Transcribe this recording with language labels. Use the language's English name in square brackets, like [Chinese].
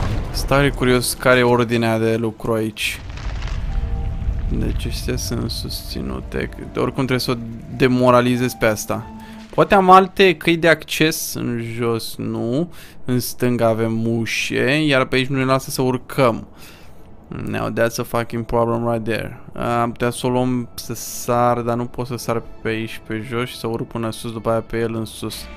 [Romanian] Stai curios care e ordinea de lucru aici. Deci astea sunt susținute. Oricum trebuie să o demoralizez pe asta. Poate am alte căi de acces în jos, nu. În stânga avem mușe, iar pe aici nu ne lasă să urcăm. [English] Now that's a fucking problem right there. [Romanian] Am putea să o luăm să sar, dar nu pot să sar pe aici pe jos și să urc până sus, după aia pe el în sus.